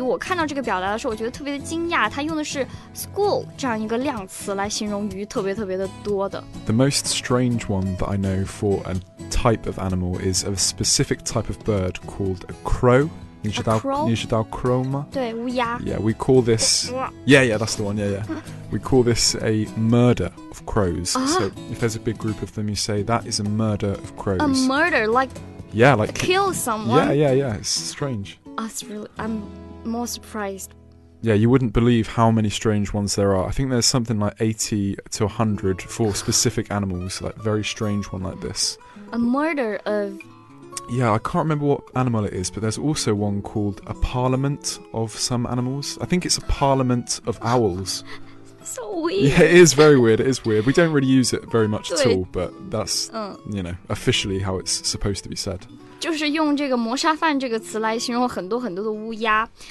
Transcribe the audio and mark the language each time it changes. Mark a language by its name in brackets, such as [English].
[Chinese] 我看到这个表达的时候，我觉得特别的惊讶。它用的是 school 这样一个量词来形容鱼特别特别的多的。 [English] The most strange one that I know for a type of animal is a specific type of bird called a crow. A crow? [Chinese] 你知道 crow 吗？对，乌鸦。 [English] Yeah, we call this. Yeah, yeah, that's the one. Yeah, yeah. We call this a murder of crows. So if there's a big group of them, you say that is a murder of crows. A murder, like. Yeah, like kill someone. Yeah, yeah, yeah. It's strange. That's really, I'm more surprised. Yeah, you wouldn't believe how many strange ones there are. I think there's something like 80 to 100 for specific animals, like very strange one like this. A murder of... Yeah, I can't remember what animal it is, but there's also one called a parliament of some animals. I think it's a parliament of owls. So weird. Yeah, it is very weird. It is weird. We don't really use it very much at all, but that's, you know, officially how it's supposed to be said. [Chinese] 就是用这个谋杀犯这个词来形容很多很多的乌鸦。